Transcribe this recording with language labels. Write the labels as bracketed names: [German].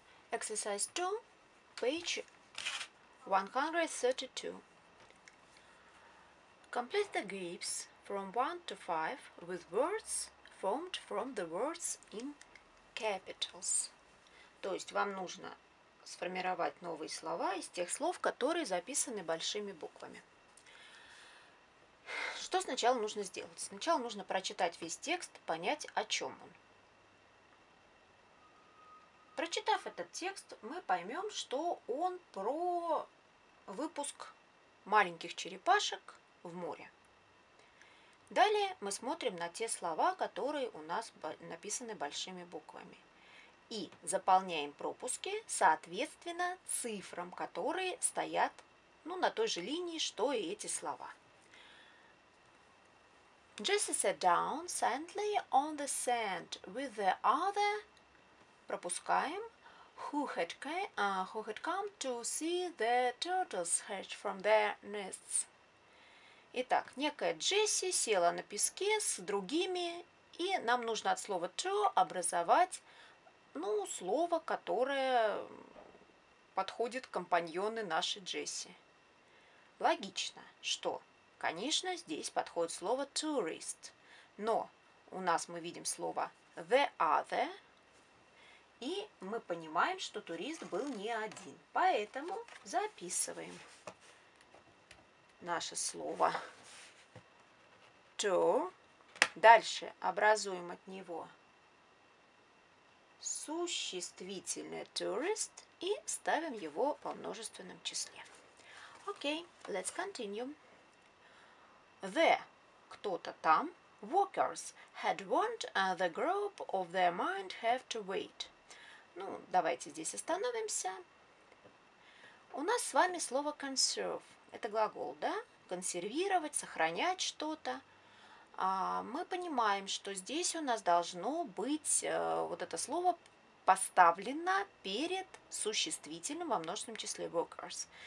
[English] Exercise 2, page 132. Complete the groups from 1 to 5 with words formed from the words in capitals. [Russian] То есть вам нужно сформировать новые слова из тех слов, которые записаны большими буквами. Что сначала нужно сделать? Сначала нужно прочитать весь текст, понять, о чем он. Прочитав этот текст, мы поймем, что он про выпуск маленьких черепашек в море. Далее мы смотрим на те слова, которые у нас написаны большими буквами. И заполняем пропуски, соответственно, цифрам, которые стоят, ну, на той же линии, что и эти слова. [English] Jesse sat down silently on the sand with the other... [Russian] Пропускаем. [English] Who had come to see the turtles hatch from their nests. [Russian] Итак, некая Джесси села на песке с другими, и нам нужно от слова to образовать, ну, слово, которое подходит компаньоны нашей Джесси. Логично, что, конечно, здесь подходит слово tourist, но у нас мы видим слово [English] the other. [Russian] И мы понимаем, что турист был не один. Поэтому записываем наше слово to. Дальше образуем от него существительное tourist и ставим его во множественном числе. Окей, [English] let's continue. The, [Russian] кто-то там, [English] workers had warned the group of their mind have to wait. [Russian] Ну, давайте здесь остановимся. У нас с вами слово conserve. Это глагол, да? Консервировать, сохранять что-то. Мы понимаем, что здесь у нас должно быть вот это слово поставлено перед существительным во множественном числе workers.